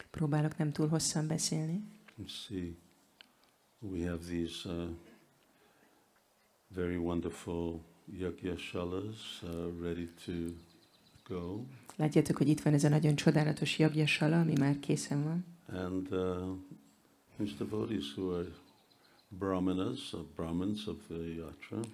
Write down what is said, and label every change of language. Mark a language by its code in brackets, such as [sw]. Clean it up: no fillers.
[hu] Próbálok nem túl hosszan beszélni. [en] See, we have these very wonderful yajñāshalas ready to go. [hu] Látjátok, hogy itt van ez a nagyon csodálatos yajñāshala, ami már készen van. [en] And these devotees who are brahmanas, or brahmins of the yatra.